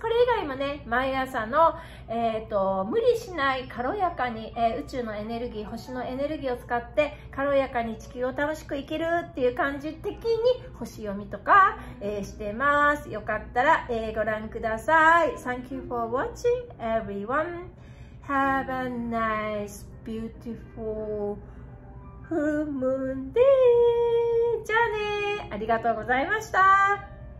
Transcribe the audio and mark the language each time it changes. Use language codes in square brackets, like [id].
[ja] これ以外もね毎朝の、無理しない軽やかに、宇宙のエネルギー星のエネルギーを使って軽やかに地球を楽しく生きるっていう感じ的に星読みとか、してます。よかったら、ご覧ください。 [en] Thank you for watching everyone. Have a nice beautiful full moon day. [ja] じゃあね、ありがとうございました。